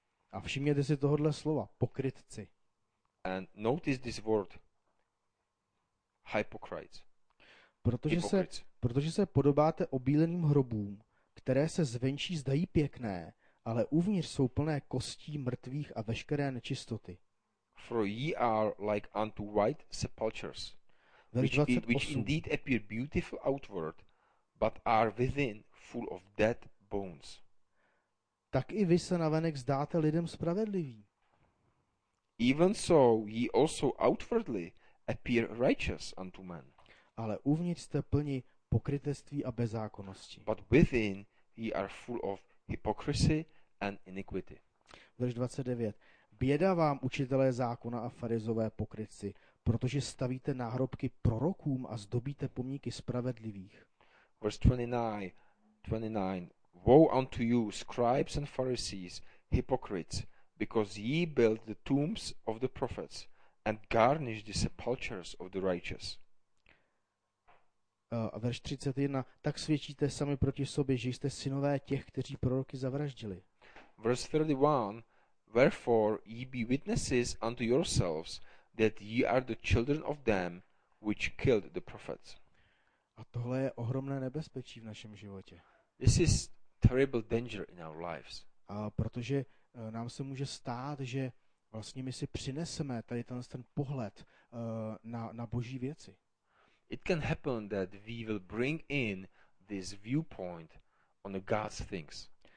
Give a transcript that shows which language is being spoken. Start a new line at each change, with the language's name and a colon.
Czech: A všimněte si tohodle slova, pokrytci.
English: And notice this word, hypocrites.
Czech: Protože se podobáte obíleným hrobům, které se zvenčí zdají pěkné, ale uvnitř jsou plné kostí mrtvých a veškeré nečistoty.
English: For ye are like unto white sepulchres, which indeed appear beautiful outward, but are within full of dead bones.
Czech: Tak i vy se navenek zdáte lidem spravedliví.
English: Even so ye also outwardly appear righteous unto men.
Czech: Ale uvnitř jste plni pokrytectví a bezzákonnosti.
English: But within ye are full of hypocrisy and iniquity.
Czech: Verš 29. Běda vám, učitelé zákona a farizové pokrytci, protože stavíte náhrobky prorokům a zdobíte pomníky spravedlivých.
English: Verse 29. Woe unto you, scribes and Pharisees, hypocrites, because ye build the tombs of the prophets and garnish the sepulchres of the righteous.
Czech: A verš 31. Tak svědčíte sami proti sobě, že jste synové těch, kteří proroky zavraždili.
English: Verse 31. Wherefore ye be witnesses unto yourselves, that ye are the children of them which killed the prophets.
Czech: A tohle je ohromné nebezpečí v našem životě.
English: This is terrible danger in our lives.
Czech: A protože nám se může stát, že vlastně my si přineseme tady ten pohled na boží věci.
English: It can happen that we will bring in this viewpoint on the God's things.